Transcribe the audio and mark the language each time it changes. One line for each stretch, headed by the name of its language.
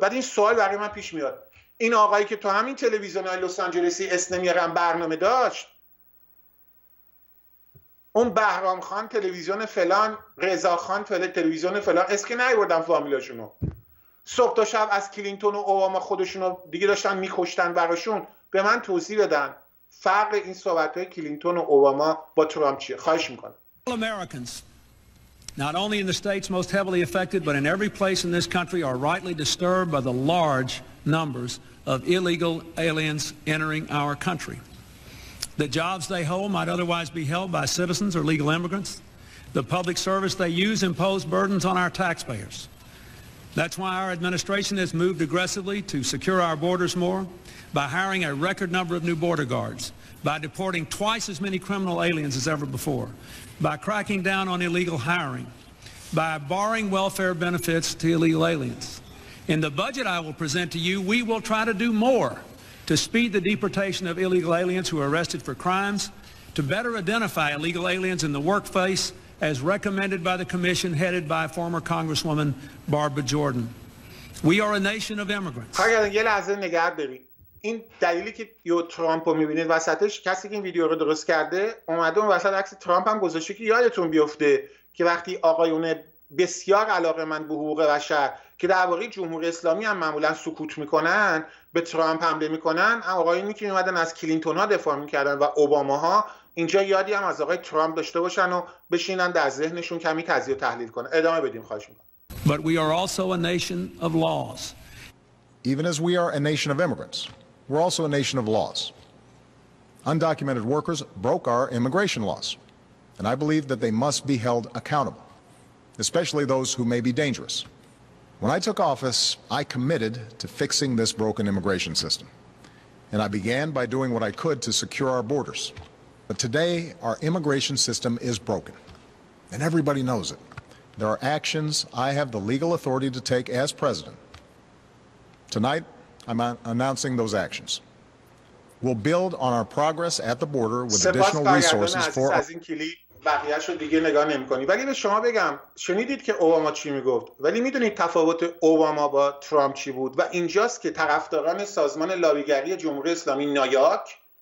Persian: بعد این سوال برای من پیش میاد، این آقایی که تو همین تلویزیون لس آنجلسی اسم برنامه داشت، اون بهرام خان تلویزیون فلان، رضا خان تلویزیون فلان، اس که نیوردن فامیلاشونو، صبح تا شب از کلینتون و اوباما خودشونو دیگه داشتن میکشتن براشون، به من توضیح بدن فرق این صحبت‌های کلینتون و اوباما با ترامپ چیه. خواهش میکنم.
English: Americans not only in the states most heavily affected but in every place in this country are rightly disturbed by the large numbers of illegal aliens entering our country. The jobs they hold might otherwise be held by citizens or legal immigrants. The public service they use impose burdens on our taxpayers. That's why our administration has moved aggressively to secure our borders more by hiring a record number of new border guards, by deporting twice as many criminal aliens as ever before, by cracking down on illegal hiring, by barring welfare benefits to illegal aliens. In the budget I will present to you, we will try to do more to speed the deportation of illegal aliens who are arrested for crimes, to better identify illegal aliens in the workplace, as recommended by the commission headed by former Congresswoman Barbara Jordan. We are a nation of immigrants.
Persian: حالا یه لحظه نگاه برید. این دلیلی که یو ترامپ رو میبینید وسطش، کسی که این ویدیو رو درست کرده اومده اون وسط عکس ترامپ هم گذاشته که یادتون بیفته که وقتی آقایون بسیار علاقه من به حقوق بشر که در واقع جمهوری اسلامی هم معمولا سکوت میکنن به ترامپ حمله میکنن، آقایونی که اومدن از کلینتون ها دفاع میکردن و اوباما ها، اینجا یادی هم از آقای ترامپ داشته باشن و بشینن در ذهنشون کمی تجزیه و تحلیل کنن. ادامه بدیم خواهش میکنم.
English: But we are also a nation of laws. Even as we are a nation of immigrants, we're also a nation of laws. Undocumented workers broke our immigration laws, and I believe that they must be held accountable. Especially those who may be dangerous. When I took office, I committed to fixing this broken immigration system. And I began by doing what I could to secure our borders. But today, our immigration system is broken. And everybody knows it. There are actions I have the legal authority to take as president. Tonight, I'm announcing those actions. We'll build on our progress at the border with additional resources for our...
Persian: بقیهش رو دیگه نگاه نمی کنی. ولی به شما بگم، شنیدید که اوباما چی میگفت، ولی میدونید تفاوت اوباما با ترامپ چی بود؟ و اینجاست که طرفداران سازمان لابیگری جمهوری اسلامی نایاک